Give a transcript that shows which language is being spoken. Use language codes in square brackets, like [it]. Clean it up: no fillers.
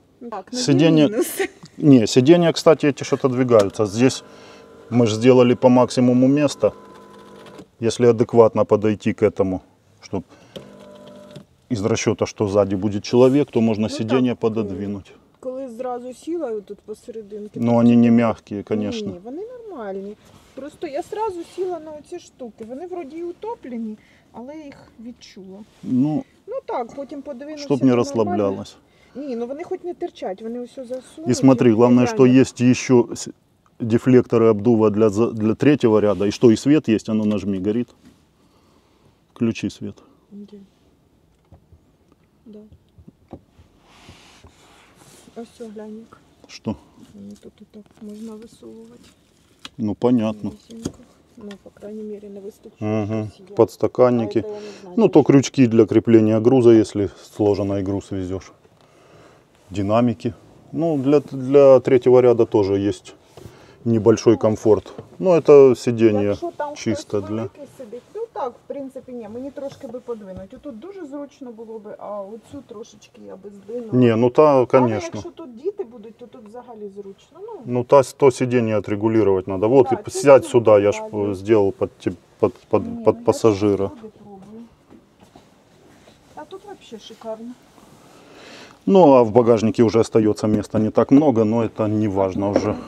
[ru] Так, ну сиденье... Не, сиденья, кстати, эти что-то двигаются. Здесь мы же сделали по максимуму места. Если адекватно подойти к этому, чтобы из расчета, что сзади будет человек, то можно сиденье пододвинуть. [uk] Коли зразу сіла тут посерединки. Ну, вони не мягкі, звісно. Ні, вони нормальні. [ru] Просто я сразу [uk] сіла на оці штуки. Вони вроді і утоплені, але я їх відчула. Ну так, потім подивимося. Щоб не розслаблялось. Ні, ну вони хоч не терчать, вони усе засунуть. І смотри, головне, що є ще дефлектори обдува для третього ряду. І що, і світ є, воно нажми, горить. Включи світ. [ru] Да. [uk] Ось все, гляньок. Що? Тут і так можна висовувати. [ru] Ну, понятно. Ну, по крайней мере, на выступчиках. Угу. Подстаканники. Ну, то крючки для крепления груза, если сложенный груз везешь. Динамики. Ну, для третьего ряда тоже есть небольшой комфорт. Ну, это сиденье чисто для... Ну, так, в принципе, не, мне трошки бы подвинуть. [uk] Тут дуже зручно [ru] было бы, а вот эту трошечки я бы сдвинула. Не, ну, та, конечно. А если тут дети будут, то тут [uk] взагалі зручно. Ну, [ru] то сиденье отрегулировать надо. Вот, да, и сядь сюда, я ж сделал под не, пассажира. А тут вообще шикарно. Ну, а в багажнике уже остается места не так много, но это не важно уже.